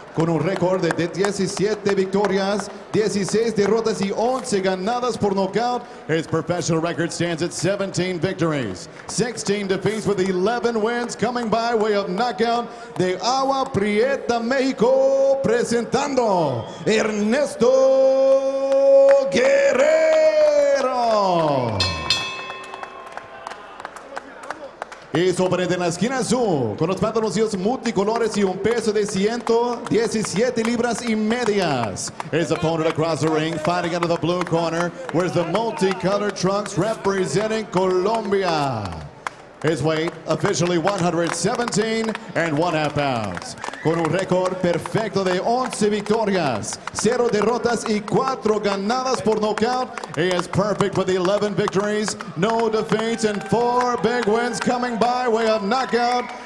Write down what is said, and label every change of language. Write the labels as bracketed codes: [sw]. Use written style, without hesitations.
[es] Con un récord de 17 victorias, 16 derrotas y 11 ganadas por nocaut, [en] his professional record stands at 17 victories, 16 defeats with 11 wins, coming by way of knockout, [es] de Agua Prieta, México, presentando Ernesto Guerrero. Y sobre de la esquina azul, con los pantaloncillos multicolores y un peso de 117 libras y medias. [en] His opponent across the ring, fighting out of the blue corner, wears the multicolored trunks representing Colombia. His weight, officially 117 and 1/2 pounds. [es] Con un récord perfecto de 11 victorias, 0 derrotas y 4 ganadas por nocaut. [en] He is perfect with 11 victories, no defeats and 4 big wins coming by way of knockout.